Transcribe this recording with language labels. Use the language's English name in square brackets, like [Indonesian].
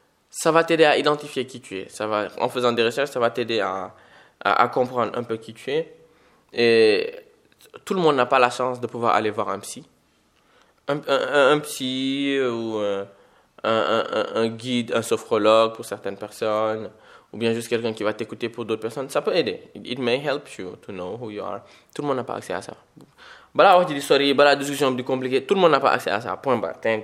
[French] Ça va t'aider à identifier qui tu es. Ça va, en faisant des recherches, ça va t'aider à comprendre un peu qui tu es. Et tout le monde n'a pas la chance de pouvoir aller voir un psy. Un psy ou un guide, un sophrologue pour certaines personnes, ou bien juste quelqu'un qui va t'écouter pour d'autres personnes, ça peut aider. [English] It may help you to know who you are. [French] Tout le monde n'a pas accès à ça. Voilà, je dis sorry, voilà, la discussion est plus compliquée. Tout le monde n'a pas accès à ça. Point barre.